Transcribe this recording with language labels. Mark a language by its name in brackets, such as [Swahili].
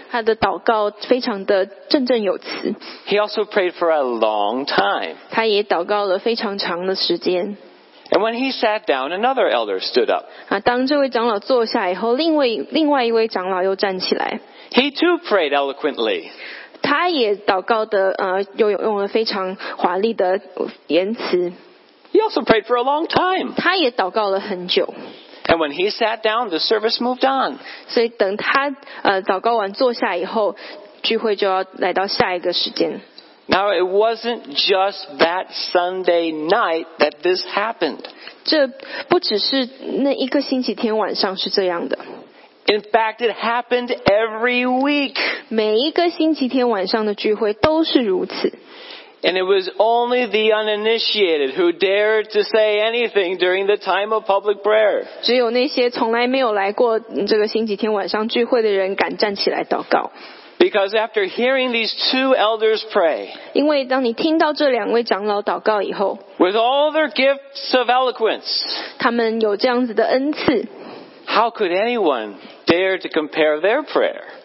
[Chinese] 他的祷告非常的振振有词。 [English] He also prayed for a long time. [Chinese] 他也祷告了非常长的时间。 [English] And when he sat down, another elder stood up. [Chinese] 当这位长老坐下以后，另外一位长老又站起来。 [English] He too prayed eloquently. [Chinese] 他也祷告的用了非常华丽的言辞。 [English] He also prayed for a long time. [Chinese] 他也祷告了很久。 [English] And when he sat down, the service moved on. [Chinese] 所以等他祷告完坐下以后，聚会就要来到下一个时间。 [English] Now it wasn't just that Sunday night that this happened. [Chinese] 这不只是那一个星期天晚上是这样的。 [English] In fact, it happened every week. [Chinese] 每一个星期天晚上的聚会都是如此。 [English] And it was only the uninitiated who dared to say anything during the time of public prayer. [Chinese] 只有那些从来没有来过这个星期天晚上聚会的人敢站起来祷告。 [English] Because after hearing these two elders pray, [Chinese] 因为当你听到这两位长老祷告以后 [English] with all their gifts of eloquence, [Chinese] 他们有这样子的恩赐 [English] how could anyone dare to compare their prayer?